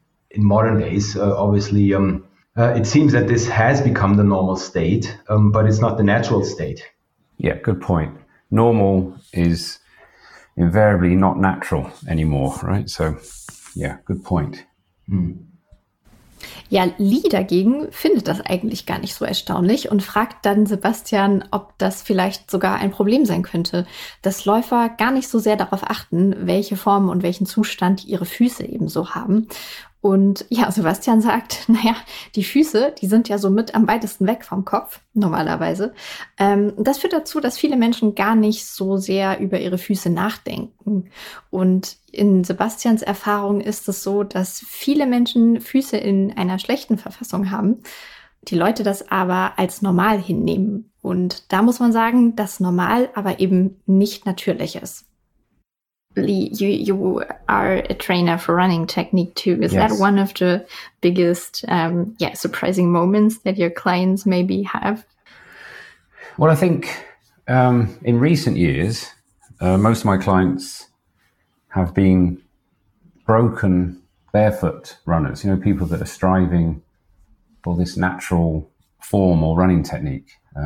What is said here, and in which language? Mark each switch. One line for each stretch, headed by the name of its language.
English: In modern days, it seems that this has become the normal state, but it's not the natural state. Yeah, good point. Normal is invariably not natural anymore, right? So, yeah, good point. Mm.
German: Ja, Lee dagegen findet das eigentlich gar nicht so erstaunlich und fragt dann Sebastian, ob das vielleicht sogar ein Problem sein könnte, dass Läufer gar nicht so sehr darauf achten, welche Form und welchen Zustand ihre Füße eben so haben. Und ja, Sebastian sagt, naja, die Füße, die sind ja so mit am weitesten weg vom Kopf, normalerweise. Das führt dazu, dass viele Menschen gar nicht so sehr über ihre Füße nachdenken. Und in Sebastians Erfahrung ist es so, dass viele Menschen Füße in einer schlechten Verfassung haben, die Leute das aber als normal hinnehmen. Und da muss man sagen, dass normal aber eben nicht natürlich ist.
English: Lee, you are a trainer for running technique too. Is that one of the biggest, surprising moments that your clients maybe have? Well, I think in recent years, most of my clients have been broken barefoot runners, you know, people that are striving for this natural form or running technique.